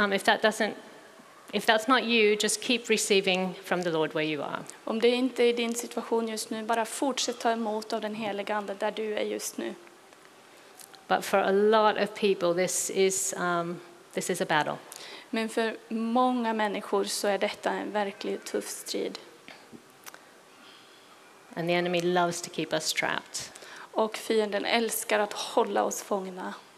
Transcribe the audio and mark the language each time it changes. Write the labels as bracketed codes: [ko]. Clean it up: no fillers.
[en] If that's not you, just keep receiving from the Lord where you are. [sv] Om det inte är din situation just nu, bara fortsätt ta emot av den heliga ande där du är just nu. [en] But for a lot of people, this is a battle. [sv] Men för många människor så är detta en verkligt tuff strid. [en] And the enemy loves to keep us trapped. [sv] Och fienden älskar att hålla oss fångna.